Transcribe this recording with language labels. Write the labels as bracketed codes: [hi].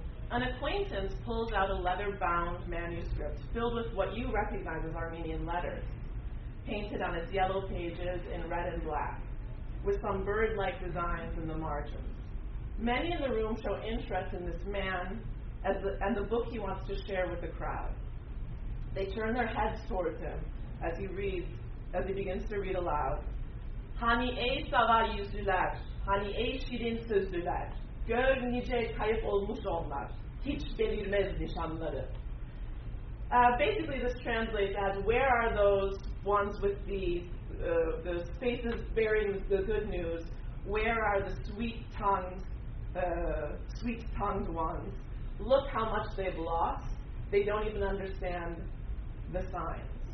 [en] An acquaintance pulls out a leather-bound manuscript filled with what you recognize as Armenian letters, painted on its yellow pages in red and black, with some bird-like designs in the margins. Many in the room show interest in this man and the book he wants to share with the crowd. They turn their heads towards him as he begins to read aloud. [tr] Hani ey sava yüzüler, hani ey şirin sözüler, gör nice kayıp olmuş onlar, hiç belirmez nişanları. [en] Basically, this translates as, where are those ones with the faces bearing the good news? Where are the sweet-tongued ones? Look how much they've lost. They don't even understand the signs.